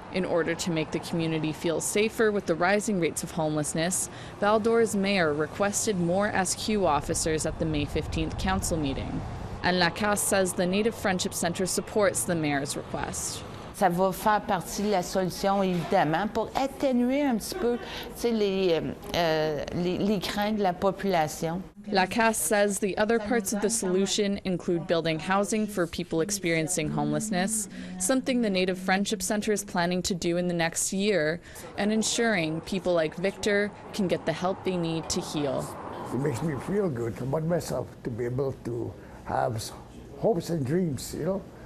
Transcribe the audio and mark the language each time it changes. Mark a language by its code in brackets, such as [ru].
[en] In order to make the community feel safer with the rising rates of homelessness, Val-d'Or's mayor requested more SQ officers at the May 15th council meeting. And Lacasse says the Native Friendship Center supports the mayor's request. [fr] Ça va faire partie de la solution, évidemment, pour atténuer un petit peu, tu sais, les craintes de la population. [en] Lacasse says the other parts of the solution include building housing for people experiencing homelessness, something the Native Friendship Center is planning to do in the next year, and ensuring people like Victor can get the help they need to heal. It makes me feel good about myself to be able to have hopes and dreams, you know?